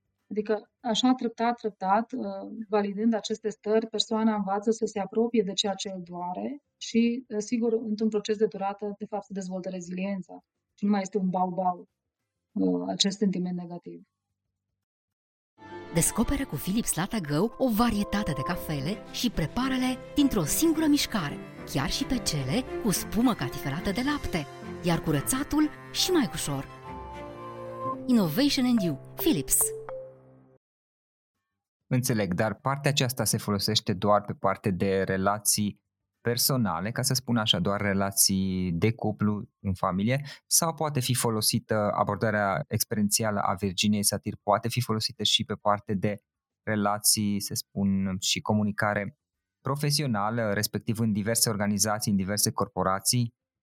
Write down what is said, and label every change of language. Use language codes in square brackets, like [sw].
[ro] Adică, așa treptat, treptat, validând aceste stări, persoana învață să se apropie de ceea ce îl doare și, sigur, într-un proces de durată, de fapt, se dezvoltă reziliența și nu mai este un bau-bau acest sentiment negativ. Descoperă cu Philips Lata Go o varietate de cafele și prepară-le dintr-o singură mișcare, chiar și pe cele cu spumă catifelată de lapte, iar curățatul și mai ușor. [en] Innovation and you, Philips. [ro] Înțeleg, dar partea aceasta se folosește doar pe partea de relații personale, ca să spun așa, doar relații de cuplu în familie, sau poate fi folosită abordarea experiențială a Virginiei Satir, poate fi folosită și pe parte de relații, să spun, și comunicare profesională, respectiv în diverse organizații, în diverse corporații.